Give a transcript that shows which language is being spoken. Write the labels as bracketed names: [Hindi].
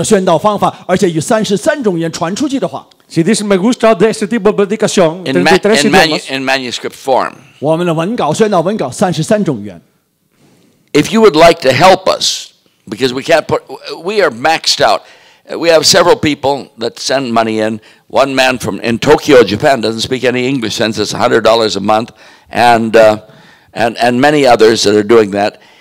[Chinese] 若你说我很喜欢你们这样的传统式的宣道方法，而且以33种语言传出去的话， [Spanish] si dices me gusta de este tipo de predicación, [English] in manuscript form. [Chinese] 我们的文稿宣道文稿33种语言。 [English] If you would like to help us, because we can't put, we are maxed out. We have several people that send money in. One man from in Tokyo, Japan, doesn't speak any English, sends us $100 a month, and many others that are doing that.